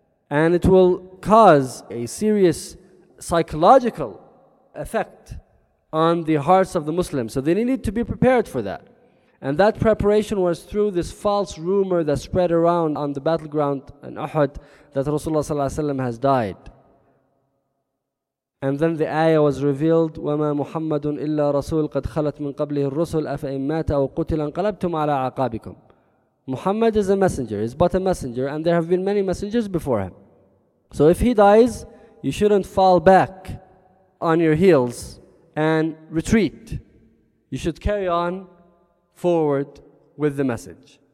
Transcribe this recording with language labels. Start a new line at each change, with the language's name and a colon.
English: And it will cause a serious psychological effect on the hearts of the Muslims. So they needed to be prepared for that. And that preparation was through this false rumor that spread around on the battleground in Uhud that Rasulullah sallallahu alaihi wasallam has died. And then the ayah was revealed,
Arabic: وَمَا مُحَمَّدٌ إِلَّا رَسُولٌ قَدْ خَلَتْ مِنْ قَبْلِهِ الرُّسُلُ أَفَإِنْ مَاتَ أَوْ قُتِلَ انْقَلَبْتُمْ عَلَىٰ عَقَابِكُمْ.
English: Muhammad is a messenger, he's but a messenger, and there have been many messengers before him. So if he dies, you shouldn't fall back on your heels and retreat. You should carry on forward with the message.